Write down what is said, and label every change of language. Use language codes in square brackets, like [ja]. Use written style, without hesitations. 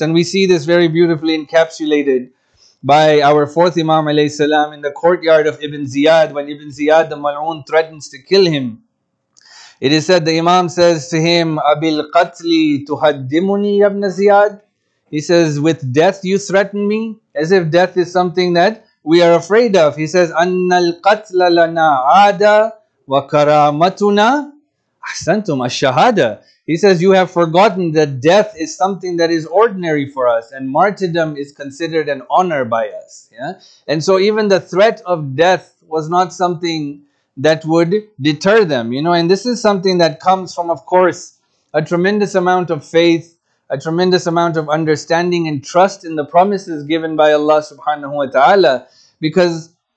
[en] And we see this very beautifully encapsulated by our fourth Imam alayhi salam in the courtyard of Ibn Ziyad, when Ibn Ziyad the Mal'un threatens to kill him. It is said, the Imam says to him, Abil qatli tuhaddimuni ibn Ziyad. He says, with death you threaten me? As if death is something that we are afraid of. He says, [ar] أَنَّ الْقَتْلَ لَنَا عَادَ وَكَرَامَتُنَا أَحْسَنْتُمْ الشَّهَادَ. [en] He says, you have forgotten that death is something that is ordinary for us, and martyrdom is considered an honor by us. Yeah? And so even the threat of death was not something that would deter them. You know, and this is something that comes from, of course, a tremendous amount of faith, a tremendous amount of understanding and trust in the promises given by Allah subhanahu wa ta'ala. Because